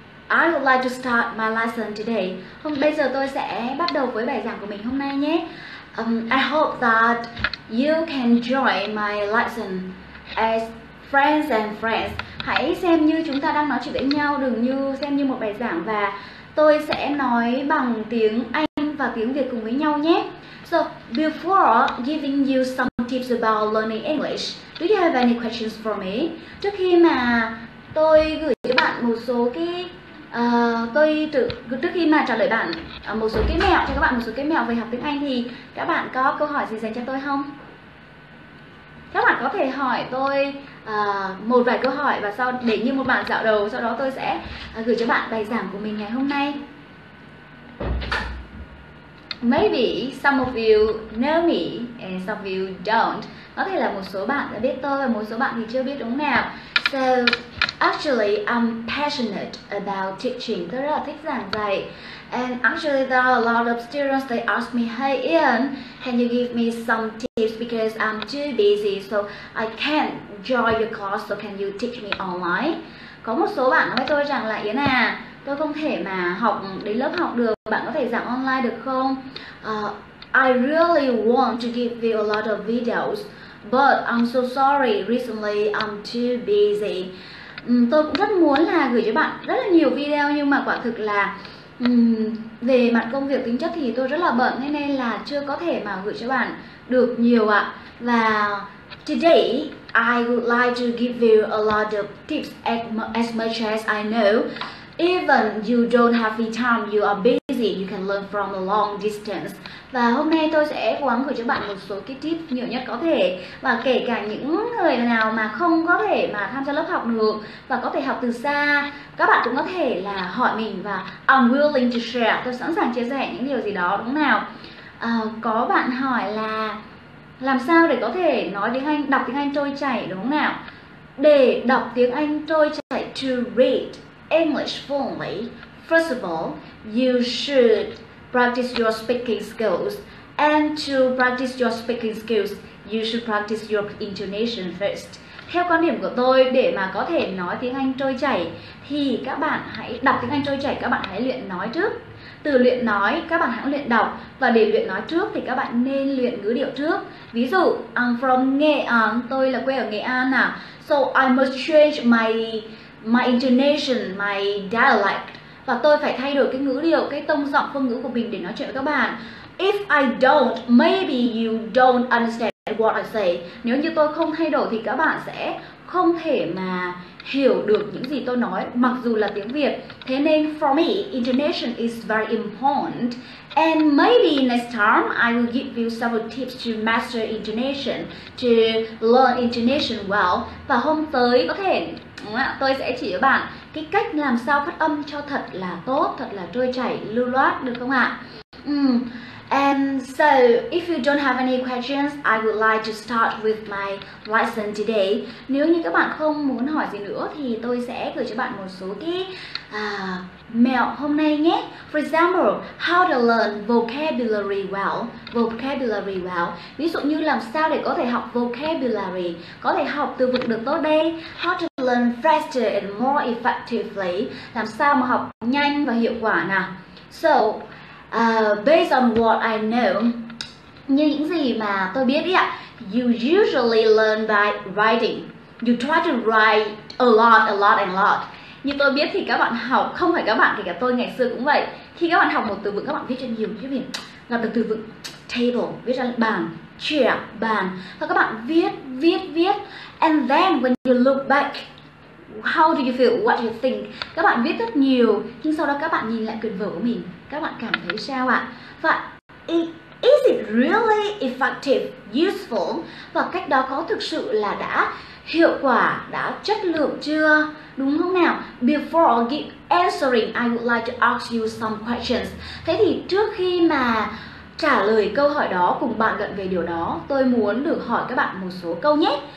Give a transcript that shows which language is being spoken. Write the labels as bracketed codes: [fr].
[en] I would like to start my lesson today. [vi] Bây giờ tôi sẽ bắt đầu với bài giảng của mình hôm nay nhé. [en] I hope that you can join my lesson as friends and friends. [vi] Hãy xem như chúng ta đang nói chuyện với nhau, đừng như xem như một bài giảng, và tôi sẽ nói bằng tiếng Anh và tiếng Việt cùng với nhau nhé. [en] So, before giving you some tips about learning English, do you have any questions for me? [vi] Trước khi mà tôi gửi cho bạn một số cái trước khi trả lời cho các bạn một số cái mẹo về học tiếng Anh, thì các bạn có câu hỏi gì dành cho tôi không? Các bạn có thể hỏi tôi một vài câu hỏi và sau để như một bản dạo đầu, sau đó tôi sẽ gửi cho bạn bài giảng của mình ngày hôm nay. [en] Maybe some of you know me and some of you don't. [vi] Có thể là một số bạn đã biết tôi và một số bạn thì chưa biết, đúng không nào? So [en] Actually, I'm passionate about teaching. [vi] Tôi rất là thích giảng dạy. [en] And actually, there are a lot of students, they ask me, hey Ian, can you give me some tips because I'm too busy, so I can't join your class, so can you teach me online? [vi] Có một số bạn nói với tôi rằng là Yến à, tôi không thể mà học đến lớp học được, bạn có thể giảng online được không? [en] I really want to give you a lot of videos, but I'm so sorry, recently I'm too busy. [vi] Tôi cũng rất muốn là gửi cho bạn rất là nhiều video, nhưng mà quả thực là về mặt công việc tính chất thì tôi rất là bận, thế nên là chưa có thể mà gửi cho bạn được nhiều ạ. Và [en] today I would like to give you a lot of tips as much as I know. Even you don't have free time, you are busy, you can learn from a long distance. [vi] Và hôm nay tôi sẽ cố gắng gửi cho bạn một số cái tip nhiều nhất có thể. Và kể cả những người nào mà không có thể mà tham gia lớp học được và có thể học từ xa, các bạn cũng có thể là hỏi mình và [en] I'm willing to share. [vi] Tôi sẵn sàng chia sẻ những điều gì đó, đúng không nào? Có bạn hỏi là làm sao để có thể nói tiếng Anh, đọc tiếng Anh trôi chảy, đúng không nào? Để đọc tiếng Anh trôi chảy, [en] to read English fluently, first of all, you should practice your speaking skills. And to practice your speaking skills, you should practice your intonation first. [vi] Theo quan điểm của tôi, để mà có thể nói tiếng Anh trôi chảy thì các bạn hãy đọc tiếng Anh trôi chảy, các bạn hãy luyện nói trước. Từ luyện nói, các bạn hãy luyện đọc. Và để luyện nói trước thì các bạn nên luyện ngữ điệu trước. Ví dụ, [en] I'm from Nghệ An, [vi] tôi là quê ở Nghệ An à. [en] So I must change my intonation, my dialect. [vi] Và tôi phải thay đổi cái ngữ điệu, cái tông giọng, phương ngữ của mình để nói chuyện với các bạn. [en] If I don't, maybe you don't understand what I say. [vi] Nếu như tôi không thay đổi thì các bạn sẽ không thể mà hiểu được những gì tôi nói, mặc dù là tiếng Việt. Thế nên [en] for me, intonation is very important. And maybe next time I will give you several tips to master intonation, to learn intonation well. [vi] Và hôm tới có thể tôi sẽ chỉ cho bạn cái cách làm sao phát âm cho thật là tốt, thật là trôi chảy, lưu loát, được không ạ? [en] And so, if you don't have any questions, I would like to start with my lesson today. [vi] Nếu như các bạn không muốn hỏi gì nữa thì tôi sẽ gửi cho bạn một số cái mẹo hôm nay nhé. [en] For example, how to learn vocabulary well. Vocabulary well. [vi] Ví dụ như làm sao để có thể học vocabulary, có thể học từ vựng được tốt đây. [en] How to learn faster and more effectively. [vi] Làm sao mà học nhanh và hiệu quả nào. [en] So, based on what I know, [vi] như những gì mà tôi biết ý ạ, [en] you usually learn by writing. You try to write a lot. [vi] Như tôi biết thì các bạn học, không phải các bạn, kể cả tôi ngày xưa cũng vậy. Khi các bạn học một từ vựng, các bạn viết cho nhiều chứ mình. Là từ vựng table, viết ra bàn, chair, bàn. Và các bạn viết. [en] And then when you look back, how do you feel? What do you think? [vi] Các bạn viết rất nhiều, nhưng sau đó các bạn nhìn lại quyển vở của mình, các bạn cảm thấy sao ạ? Và [en] is it really effective, useful? [vi] Và cách đó có thực sự là đã hiệu quả, đã chất lượng chưa? Đúng không nào? [en] Before answering, I would like to ask you some questions. [vi] Thế thì trước khi mà trả lời câu hỏi đó cùng bạn gần về điều đó, tôi muốn được hỏi các bạn một số câu nhé.